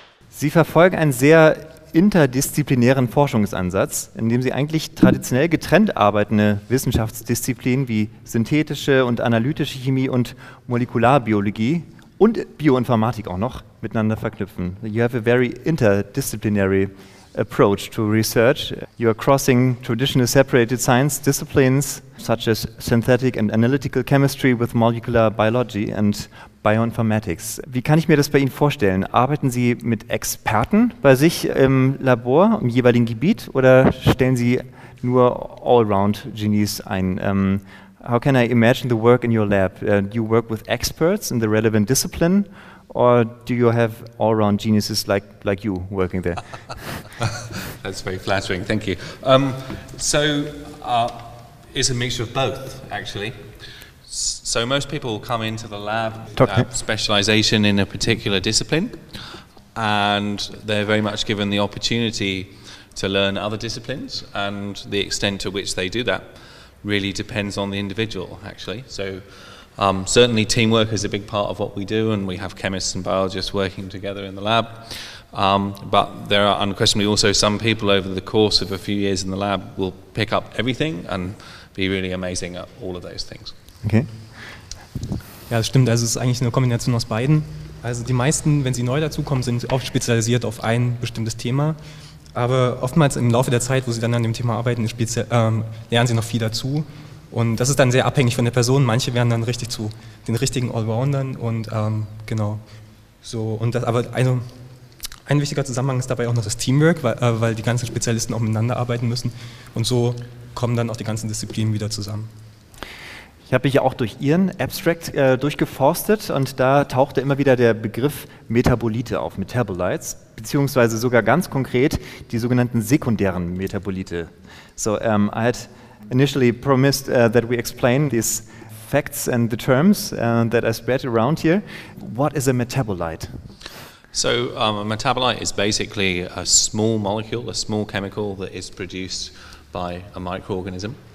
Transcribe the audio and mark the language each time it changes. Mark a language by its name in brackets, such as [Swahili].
[German] Sie verfolgen einen sehr interdisziplinären Forschungsansatz, in dem Sie eigentlich traditionell getrennt arbeitende Wissenschaftsdisziplinen wie synthetische und analytische Chemie und Molekularbiologie und Bioinformatik auch noch miteinander verknüpfen. [English] You have a very interdisciplinary approach to research. You are crossing traditional separated science disciplines such as synthetic and analytical chemistry with molecular biology and Bioinformatics. [German] Wie kann ich mir das bei Ihnen vorstellen? Arbeiten Sie mit Experten bei sich im Labor, im jeweiligen Gebiet, oder stellen Sie nur Allround-Genies ein? [English] How can I imagine the work in your lab? Do you work with experts in the relevant discipline, or do you have Allround-Geniuses like you working there? That's very flattering, thank you. It's a mixture of both, actually. So most people come into the lab with that specialization in a particular discipline, and they're very much given the opportunity to learn other disciplines, and the extent to which they do that really depends on the individual, actually. So certainly teamwork is a big part of what we do, and we have chemists and biologists working together in the lab, but there are unquestionably also some people over the course of a few years in the lab will pick up everything and be really amazing at all of those things. Okay. [German] Ja, das stimmt. Also es ist eigentlich eine Kombination aus beiden. Also die meisten, wenn sie neu dazukommen, sind oft spezialisiert auf ein bestimmtes Thema. Aber oftmals im Laufe der Zeit, wo sie dann an dem Thema arbeiten, lernen sie noch viel dazu. Und das ist dann sehr abhängig von der Person. Manche werden dann richtig zu den richtigen Allroundern. Und genau. So, und das, aber ein wichtiger Zusammenhang ist dabei auch noch das Teamwork, weil die ganzen Spezialisten auch miteinander arbeiten müssen. Und so kommen dann auch die ganzen Disziplinen wieder zusammen. Ich habe mich ja auch durch Ihren Abstract durchgeforstet, und da tauchte immer wieder der Begriff Metabolite auf, Metabolites, beziehungsweise sogar ganz konkret die sogenannten sekundären Metabolite. [English] So I had initially promised that we explain these facts and the terms that I spread around here. What is a metabolite? So a metabolite is basically a small molecule, a small chemical that is produced by a microorganism.